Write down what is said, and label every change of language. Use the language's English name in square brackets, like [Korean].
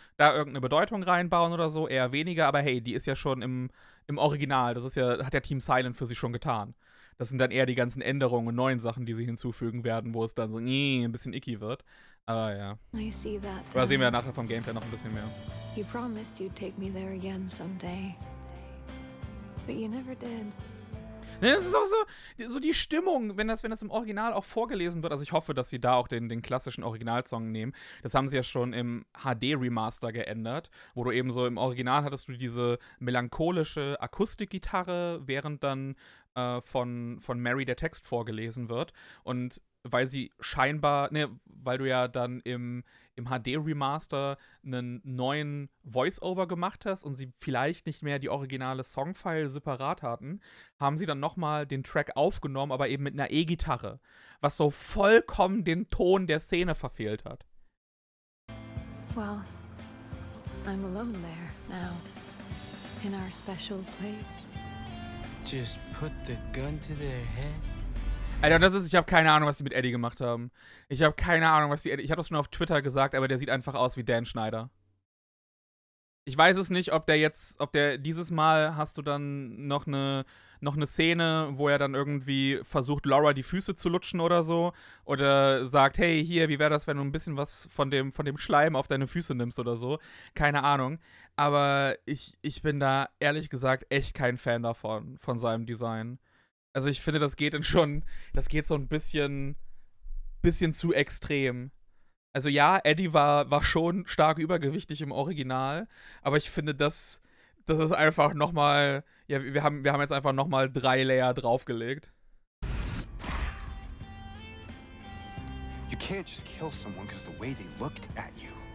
[German] Da irgendeine Bedeutung reinbauen oder so, eher weniger. Aber hey, die ist ja schon im Original. Das ist ja, hat ja Team Silent für sich schon getan. Das sind dann eher die ganzen Änderungen und neuen Sachen, die sie hinzufügen werden, wo es dann so ein bisschen icky wird. Aber ja. Da sehen wir ja nachher vom Gameplay noch ein bisschen mehr. [English] You promised you'd take me there again someday. But you never did. [German] Es ist auch so die Stimmung, wenn das im Original auch vorgelesen wird. Also ich hoffe, dass sie da auch den klassischen Originalsong nehmen. Das haben sie ja schon im HD-Remaster geändert, wo du eben so im Original hattest du diese melancholische Akustikgitarre, während dann von Mary der Text vorgelesen wird. Und weil sie scheinbar, weil du ja dann im HD-Remaster einen neuen Voice-Over gemacht hast und sie vielleicht nicht mehr die originale Songfile separat hatten, haben sie dann nochmal den Track aufgenommen, aber eben mit einer E-Gitarre, was so vollkommen den Ton der Szene verfehlt hat. [English] Well, I'm alone there now, in our special place. Just put the gun to their head. [German] Alter, ich habe keine Ahnung, was die mit Eddie gemacht haben. Ich habe das schon auf Twitter gesagt, aber der sieht einfach aus wie Dan Schneider. Ich weiß es nicht, dieses Mal hast du dann noch eine Szene, wo er dann irgendwie versucht, Laura die Füße zu lutschen oder so. Oder sagt, hey, hier, wie wäre das, wenn du ein bisschen was von dem Schleim auf deine Füße nimmst oder so. Keine Ahnung. Aber ich bin da ehrlich gesagt echt kein Fan davon, von seinem Design. Also ich finde, das geht so ein bisschen zu extrem. Also ja, Eddie war schon stark übergewichtig im Original, aber ich finde, das ist einfach nochmal, ja, wir haben jetzt einfach nochmal 3 Layer draufgelegt. [English] You can't just kill someone because the way they looked at you.